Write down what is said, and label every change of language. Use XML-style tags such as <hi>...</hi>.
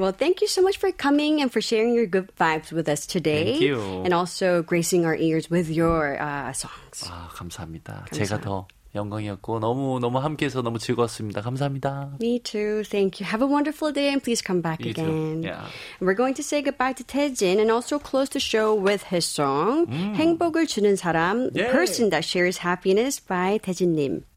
<en>Well, thank you so much for coming and for sharing your good vibes with us today. Thank you. And also gracing our ears with your songs.</en> <ko>아, 감사합니다. 제가 더 영광이었고 너무 너무 함께해서 너무 즐거웠습니다. 감사합니다.</ko> <en>Me too. Thank you. Have a wonderful day and please come back you again. Too. Yeah. We're going to say goodbye to Taejin and also close the show with his song 행복을 주는 사람, the person that shares happiness by Taejin 님.</en>